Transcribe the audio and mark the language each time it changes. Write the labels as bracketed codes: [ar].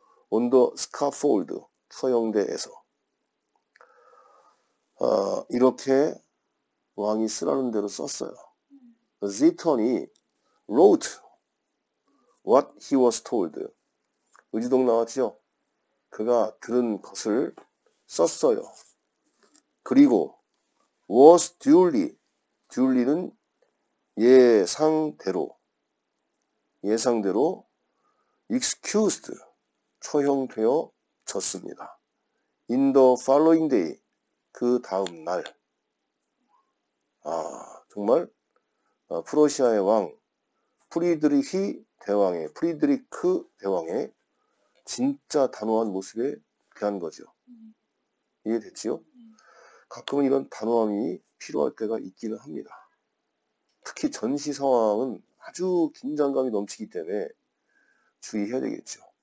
[en] On the scaffold, [ko] 처형대에서. 이렇게 왕이 쓰라는 대로 썼어요. [en] Zeton이 wrote what he was told. [ko] 의지동 나왔죠? 그가 들은 것을 썼어요. 그리고 [en] was duly, duly [ko] 는 예상대로, 예상대로 excused, 처형되어 졌습니다. [en] In the following day, [ko] 그 다음 날. 아, 정말 프로시아의 왕 프리드리히 대왕의, 프리드리크 대왕의 진짜 단호한 모습에 대한 거죠. 이해됐지요? 가끔은 이런 단호함이 필요할 때가 있기는 합니다. 특히 전시 상황은 아주 긴장감이 넘치기 때문에 주의해야 되겠죠.